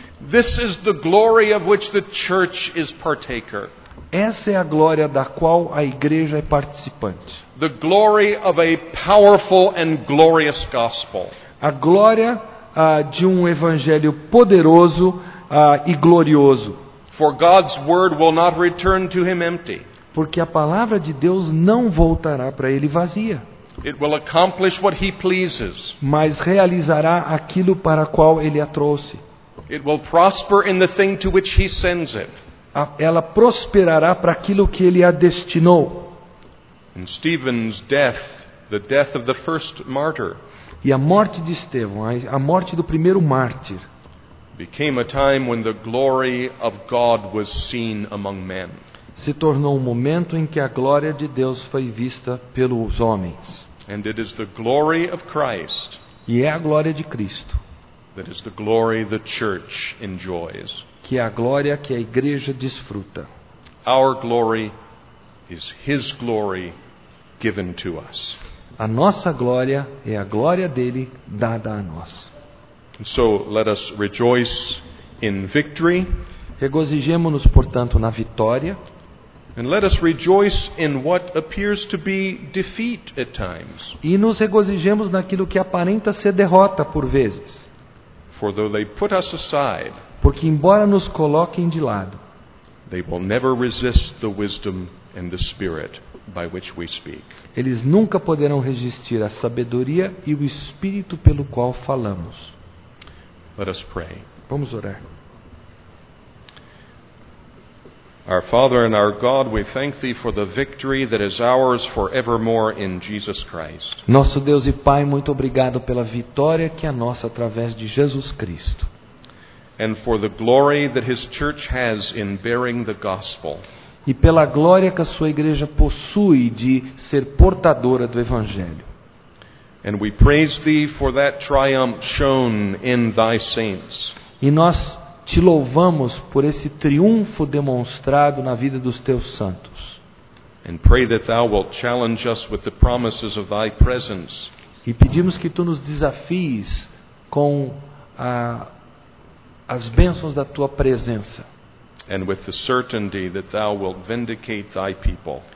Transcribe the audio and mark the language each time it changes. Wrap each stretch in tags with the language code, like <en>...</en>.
<en>This is the glory of which the church is partaker.</en> <pt>Essa é a glória da qual a igreja é participante.</pt> <en>The glory of a powerful and glorious gospel.</en> <pt>A glória de um evangelho poderoso e glorioso.</pt> <en>For God's word will not return to him empty.</en> <pt>Porque a palavra de Deus não voltará para ele vazia.</pt> <en>It will accomplish what he pleases.</en> <pt>Mas realizará aquilo para qual ele a trouxe.</pt> <en>It will prosper in the thing to which he sends it.</en> <pt>Ela prosperará para aquilo que ele a destinou.</pt> <en>And Stephen's death, the death of the first martyr.</en> <pt>E a morte de Estevão, a morte do primeiro mártir.</pt> <en>Became a time when the glory of God was seen among men.</en> <pt>Se tornou um momento em que a glória de Deus foi vista pelos homens.</pt> <en>And it is the glory of Christ.</en> <pt>E é a glória de Cristo.</pt> <en>That is the glory the church enjoys.</en> <pt>Que é a glória que a igreja desfruta.</pt> <en>Our glory is his glory given to us.</en> <pt>A nossa glória é a glória dele dada a nós.</pt> <en>And so let us rejoice in victory.</en> <pt>Regozijemo-nos, portanto, na vitória.</pt> <en>And let us rejoice in what appears to be defeat at times.</en> <pt>E nos regozijemos naquilo que aparenta ser derrota por vezes.</pt> <en>For though they put us aside,</en> <pt>porque embora nos coloquem de lado,</pt> <en>they will never resist the wisdom and the spirit by which we speak.</en> <pt>Eles nunca poderão resistir à sabedoria e o espírito pelo qual falamos.</pt> <en>Let us pray.</en> <pt>Vamos orar.</pt> <en>Our Father and our God, we thank thee for the victory that is ours forevermore in Jesus Christ.</en> <pt>Nosso Deus e Pai, muito obrigado pela vitória que é nossa através de Jesus Cristo.</pt> <en>And for the glory that his church has in bearing the gospel.</en> <pt>E pela glória que a sua igreja possui de ser portadora do evangelho.</pt> <en>And we praise thee for that triumph shown in thy saints.</en> <pt>E nós te louvamos por esse triunfo demonstrado na vida dos teus santos.</pt> <en>And pray that thou wilt challenge us with the promises of thy presence.</en> <pt>E pedimos que tu nos desafies com as bênçãos da tua presença.</pt> <en>and with the certainty that thou wilt vindicate thy people.</en>